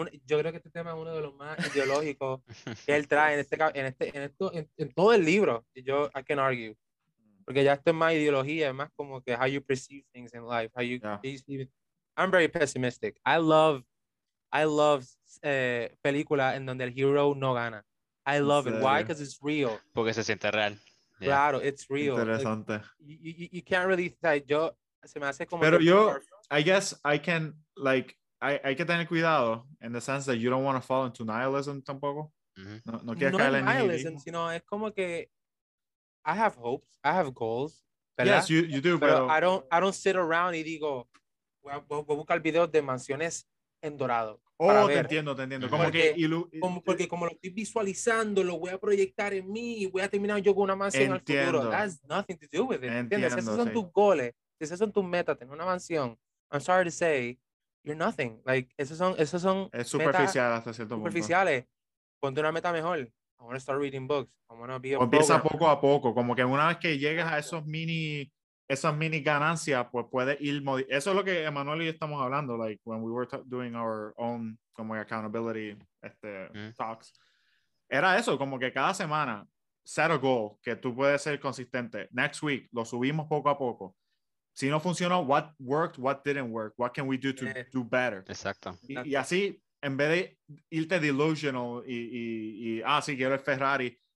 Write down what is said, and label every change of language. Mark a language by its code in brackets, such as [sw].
[es] Yo creo que este tema es uno de los más ideológicos que él trae en todo el libro. Yo, [en] I can argue. [es] Porque ya esto es más ideología, es más como que [en] how you perceive things in life, how you perceive it. I'm very pessimistic. I love [es] película en donde [en] el hero [es] no gana. [en] I love it. Why? Because it's real. [es] Porque se siente real. [en] Yeah. [es] Claro, [en] it's real. [es] Interesante. [en] Like, you can't really say, [es] yo, se me hace como... Pero yo, [en] I guess I can, like, [es] hay que tener cuidado [en] in the sense that you don't want to fall into nihilism [es] tampoco. Mm-hmm. No quieres caer en nihilism, sino es como que [en] I have hopes, I have goals. [es] ¿Verdad? [en] Yes, you do, [es] pero... [en] I don't sit around [es] y digo, voy a buscar videos de mansiones en dorado. Oh, te entiendo. Como porque, que porque como lo estoy visualizando, lo voy a proyectar en mí y voy a terminar yo con una mansión en el futuro. [en] That's nothing to do with it. [es] ¿Entiendes? Esos son tus goles, esos son tus metas, tener una mansión. [en] I'm sorry to say, you're nothing. Like, [es] esos son es superficial hasta cierto punto. Superficiales. Ponte una meta mejor. [en] I want to start reading books. I want to be a [es] programmer. Empieza poco a poco, como que una vez que llegas a esas mini ganancias, pues puede ir eso es lo que Emmanuel y yo estamos hablando, [en] like when we were doing our own [es] como [en] accountability talks. [es] Era eso, como que cada semana [en] set a goal [es] que tú puedes ser consistente. [en] Next week [es] lo subimos poco a poco. Si no funcionó, [en] what worked, what didn't work, what can we do to do better. [es] Exacto. Y así, en vez de irte delusional y sí, quiero el Ferrari.